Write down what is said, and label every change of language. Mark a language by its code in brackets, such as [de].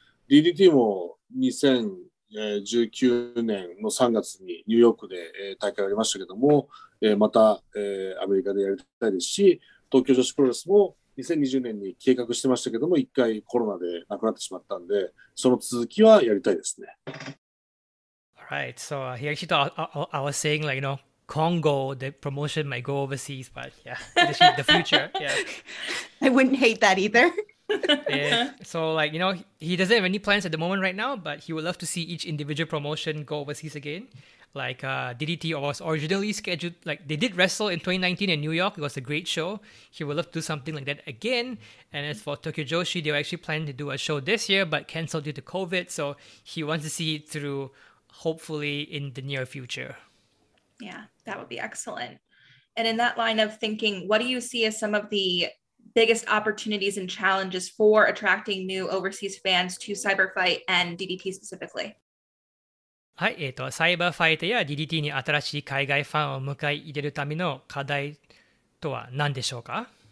[ja] DDT も2019年の3月にニューヨークで大会をやりましたけども、またアメリカでやりたいですし、東京女子プロレスも2020年に計画してましたけども、一回コロナでなくなってしまったんで、その続きはやりたいですね。 [en] Alright, so I was saying like, you know, Congo, the promotion might go overseas, but yeah, the future, yeah. I wouldn't hate that either. So like, you know, he doesn't have any plans at the moment right now, but he would love to see each individual promotion go overseas again. Like DDT was originally scheduled, like they did wrestle in 2019 in New York. It was a great show. He would love to do something like that again. And as for Tokyo Joshi, they were actually planning to do a show this year, but canceled due to COVID. So he wants to see it through, hopefully in the near future. Yeah, that would be excellent. And in that line of thinking, what do you see as some of the biggest opportunities and challenges for attracting new overseas fans to CyberFight and DDT specifically? [ja] はい、サイバーファイトや DDT に新しい海外ファンを迎え入れるための課題とは何でしょうか？